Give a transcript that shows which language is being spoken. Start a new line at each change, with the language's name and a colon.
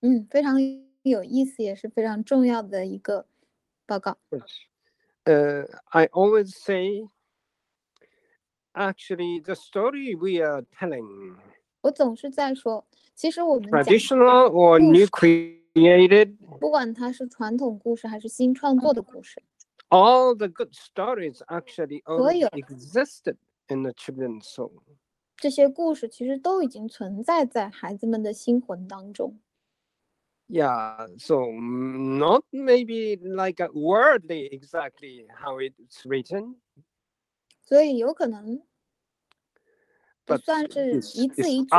Chinese: 非常有意思，也是非常重要的一个报告。
English: Yes. I always say, actually, the story we are telling.
Chinese: 我总是在说，其实我们
English: traditional or new created.
Chinese: 不管它是传统故事还是新创作的故事
English: ，All the good stories actually only existed in the children's soul.
Chinese: 这些故事其实都已经存在在孩子们的心魂当中。
English: Yeah, so not maybe like a wordly exactly how it's written.
Chinese: 所以有可能，不算是一字一句的